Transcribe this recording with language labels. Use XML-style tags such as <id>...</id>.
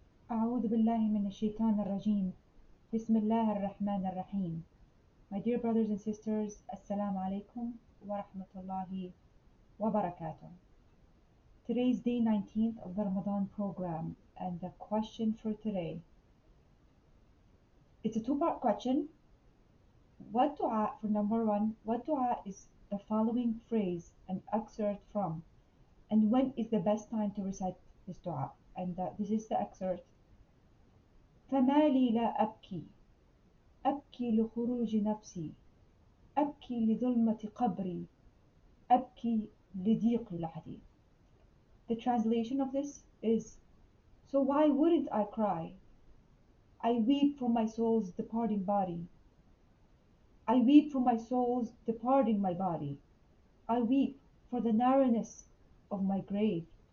<ar>أعوذ بالله من الشيطان الرجيم. بسم الله الرحمن الرحيم.</ar> <en>My dear brothers and sisters,</en> <ar>السلام عليكم ورحمة الله وبركاته.</ar> <en>Today's day 19th of the Ramadan program, and the question for today. It's a two-part question. What dua for number one? What dua is the following phrase an excerpt from? And when is the best time to recite this dua? And this is the excerpt.</en> <ar>فمالي لا أبكي أبكي لخروج نفسي أبكي لظلمة قبري أبكي لضيق لحدي.</ar> <en>The translation of this is, so why wouldn't I cry? I weep for my soul's departing body. I weep for my soul's departing my body. I weep for the narrowness of my grave.</en>